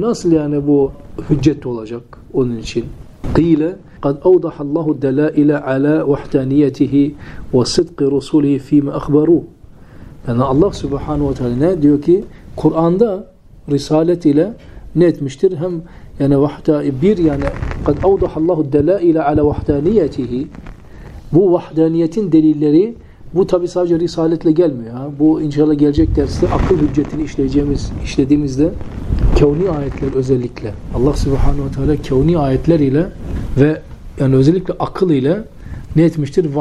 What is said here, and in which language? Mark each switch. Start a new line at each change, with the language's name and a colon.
Turkish: Nasıl yani bu hüccet olacak onun için?
Arabic: Qila قَدْ اَوْضَحَ اللّٰهُ الدَّلَائِلَ عَلَى وَحْدَانِيَتِهِ وَصِدْقِ رُسُولِهِ ف۪ي مَا اَخْبَرُوا.
Turkish: Yani Allah subhanahu ve teala ne diyor ki? Kur'an'da risalet ile ne etmiştir? Hem yani bir yani
Arabic: قَدْ اَوْضَحَ اللّٰهُ الدَّلَائِلَ عَلَى وَحْدَانِيَتِهِ.
Turkish: Bu vahdaniyetin delilleri, bu tabi sadece risaletle gelmiyor. Ha. Bu inşallah gelecek derste akıl hüccetini işlediğimizde kevni ayetler özellikle. Allah subhanahu ve teala kevni ayetler ile ve yani özellikle akıl ile ne etmiştir?